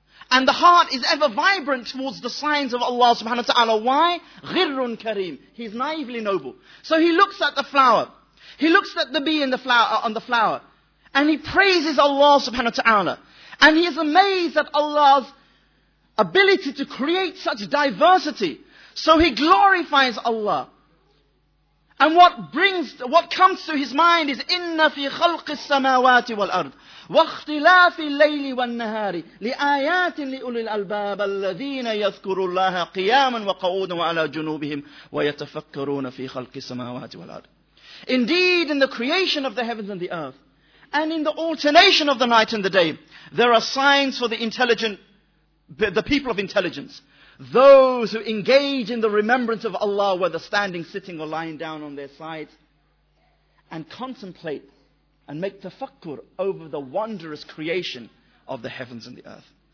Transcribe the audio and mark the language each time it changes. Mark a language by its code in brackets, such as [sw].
[en] And the heart is ever vibrant towards the signs of Allah subhanahu wa ta'ala. Why? Ghirrun Kareem. He's naively noble. So he looks at the flower. He looks at the bee in the flower, on the flower. And he praises Allah subhanahu wa ta'ala. And he is amazed at Allah's ability to create such diversity. So he glorifies Allah. And what brings, what comes to his mind is, [ar] إِنَّ فِي خَلْقِ السَّمَاوَاتِ وَالْأَرْضِ وَاخْتِلَافِ اللَّيْلِ وَالنَّهَارِ لِآيَاتٍ لِأُولِي الْأَلْبَابِ الَّذِينَ يَذْكُرُوا اللَّهَ قِيَامًا وَقَعُودًا وَعَلَى جُنُوبِهِمْ وَيَتَفَكَّرُونَ فِي خَلْقِ السَّمَاوَاتِ وَالْأَرْضِ. [en] Indeed, in the creation of the heavens and the earth, and in the alternation of the night and the day, there are signs for the intelligent, the people of intelligence. Those who engage in the remembrance of Allah, whether standing, sitting or lying down on their sides, and contemplate and make tafakkur over the wondrous creation of the heavens and the earth.